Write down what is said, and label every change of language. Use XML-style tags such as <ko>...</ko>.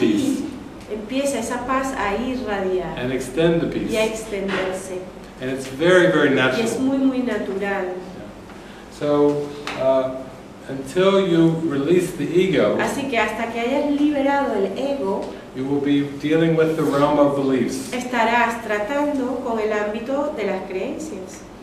<en>the peace.</en> <es>Empieza esa paz a irradiar.</es> <en>And extend the peace.</en> <es>Y a extenderse.</es> <en>And it's very, very natural.</en> <es>Y es muy, muy natural.</es> <en>So, until you release the ego,</en> <es>así que hasta que hayas liberado el ego,</es> <en>you will be dealing with the realm of beliefs.</en> <es>Estarás tratando con el ámbito de las creencias.</es>